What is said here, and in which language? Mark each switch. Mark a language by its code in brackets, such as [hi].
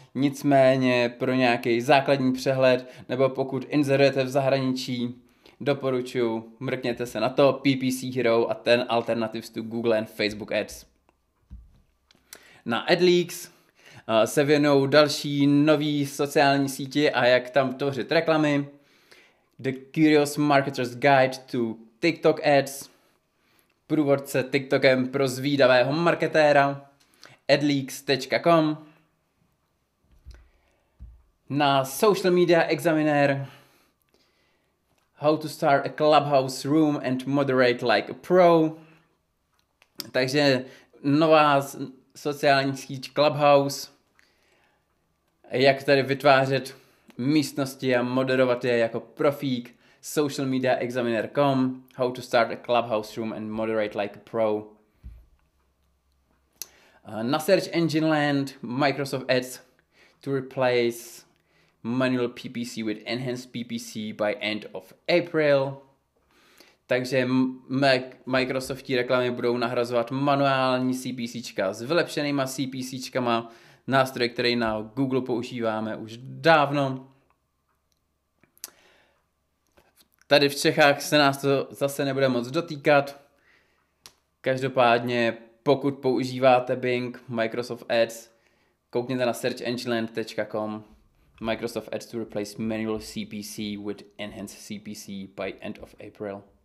[cs] Nicméně pro nějaký základní přehled, nebo pokud inzerujete v zahraničí, doporučuji, mrkněte se na to, PPC Hero a ten [en] alternatives to Google and Facebook Ads. [cs] Na AdLeaks se věnují další nový sociální sítě a jak tam tvořit reklamy. [en] The Curious Marketer's Guide to TikTok Ads. [cs] Průvodce TikTokem pro zvídavého marketéra. [en] AdLeaks.com. [cs] Na Social Media Examiner. [en] How to start a clubhouse room and moderate like a pro. [cs] Takže nová sociální síť Clubhouse, jak tady vytvářet místnosti a moderovat je jako profík, socialmediaexaminer.com, [en] how to start a Clubhouse room and moderate like a pro. Na Search Engine Land, Microsoft Ads to replace manual PPC with enhanced PPC by end of April. [cs] Takže Microsoftí reklamy budou nahrazovat manuální CPCčka s vylepšenýma CPCčkama, nástroj, který na Google používáme už dávno. Tady v Čechách se nás to zase nebude moc dotýkat. Každopádně, pokud používáte Bing, Microsoft Ads, koukněte na searchengineland.com. [en] Microsoft Ads to replace manual CPC with enhanced CPC by end of April.